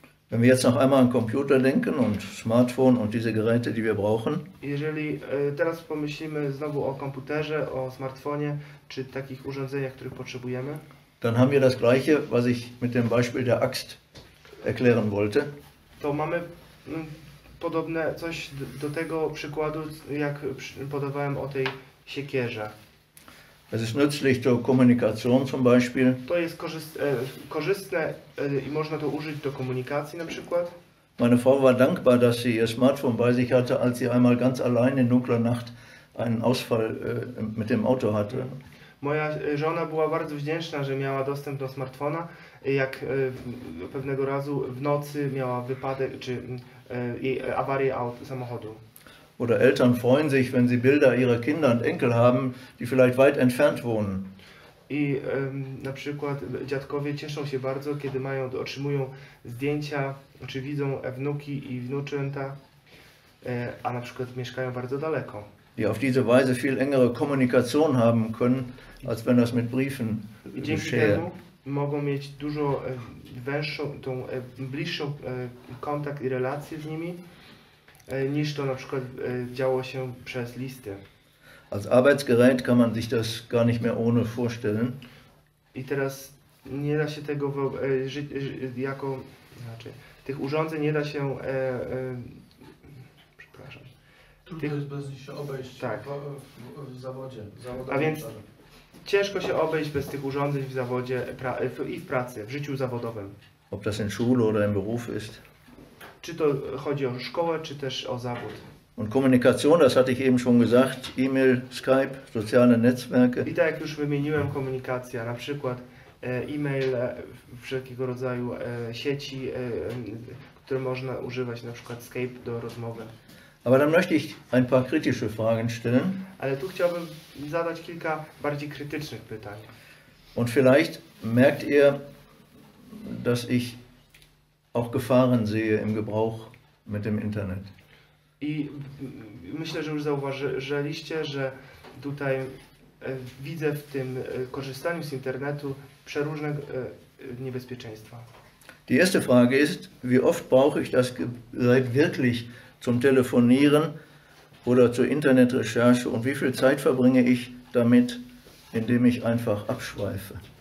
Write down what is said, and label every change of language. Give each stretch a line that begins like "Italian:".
German: Wenn wir jetzt noch einmal an Computer denken und Smartphone und diese Geräte, die wir brauchen.
Polish: Jeżeli teraz pomyślimy znowu o komputerze, o smartfonie, czy takich urządzeniach, których potrzebujemy.
German: Dann haben wir das Gleiche, was ich mit dem Beispiel der Axt erklären wollte.
Polish: To mamy podobne coś do tego przykładu, jak podawałem o tej siekierze.
German: Es ist nützlich zur Kommunikation zum Beispiel.
Polish: To jest korzystne i można to użyć do komunikacji na przykład.
German: Meine Frau war dankbar, dass sie ihr Smartphone bei sich hatte, als sie einmal ganz allein in dunkler Nacht einen Ausfall mit dem Auto hatte.
Polish: Moja żona była bardzo wdzięczna, że miała dostęp do smartfona, jak pewnego razu w nocy miała wypadek czy awarię samochodu.
German: Oder Eltern freuen sich, wenn sie Bilder ihrer Kinder und Enkel haben, die vielleicht weit entfernt wohnen.
Polish: I na przykład dziadkowie cieszą się bardzo, kiedy otrzymują zdjęcia, czy widzą wnuki i wnuczęta, a na przykład mieszkają bardzo daleko.
German: Die auf diese Weise viel engere Kommunikation haben können, als wenn das mit Briefen geschieht.
Polish: Mogą mieć dużo węższą, tą bliższą kontakt i relacje z nimi, niż to na przykład działo się przez listy.
German: Als Arbeitsgerät kann man sich das gar nicht mehr ohne vorstellen.
Polish: I teraz nie da się tego jako znaczy tych urządzeń nie da się przepraszam. Trudno jest bez nich się obejść tak. W zawodzie. A więc ciężko się obejść bez tych urządzeń w zawodzie i w pracy, w życiu zawodowym.
German: Ob das in Schule oder im Beruf ist.
Polish: Czy to chodzi o szkołę, czy też o zawód.
German: Und Kommunikation, das hatte ich eben schon gesagt, E-Mail, Skype, soziale Netzwerke.
Polish: I tak jak już wymieniłem, kommunikacja, na przykład e-mail, wszelkiego rodzaju sieci, które można używać, na przykład Skype do rozmowy.
German: Aber dann möchte ich ein paar kritische Fragen stellen.
Polish: Ale tu chciałbym zadać kilka bardziej krytycznych pytań.
German: Und vielleicht merkt ihr, dass ich auch Gefahren sehe im Gebrauch mit dem Internet.
Polish: I myślę, że już zauważyliście, że tutaj widzę w tym korzystaniu z internetu przeróżne niebezpieczeństwa.
German: Die erste Frage ist, wie oft brauche ich das Gerät wirklich zum Telefonieren oder zur Internetrecherche und wie viel Zeit verbringe ich damit, indem ich einfach abschweife?